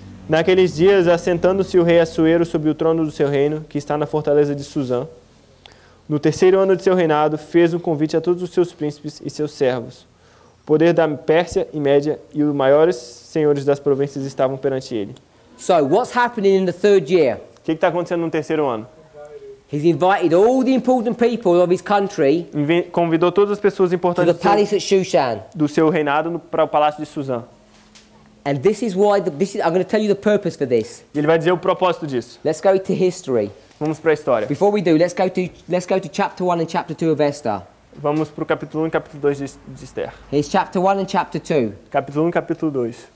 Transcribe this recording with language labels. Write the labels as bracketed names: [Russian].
[Portuguese] Naqueles dias, assentando-se o rei Assuero sobre o trono do seu reino, que está na fortaleza de Susã, no terceiro ano de seu reinado, fez um convite a todos os seus príncipes e seus servos. poder da Pérsia e Média, e os maiores senhores das províncias estavam perante ele. [English] So, what's happening in the third year? [Portuguese] O que está acontecendo no terceiro ano? [English] He's invited all the important people of his country. [Portuguese] Convidou todas as pessoas importantes [English] to the palace at Shushan. [Portuguese] Do seu reinado para o palácio de Susã. [English] And this is why I'm going to tell you the purpose for this. [Portuguese] E ele vai dizer o propósito disso. [English] Let's go to history. [Portuguese] Vamos para a história. [English] Before we do, let's go to chapter 1 and chapter 2 of Esther. [Portuguese] Vamos para o capítulo 1 e capítulo 2 de Esther. [English] Here's chapter 1 and chapter 2. [Portuguese] Capítulo 1 e capítulo 2.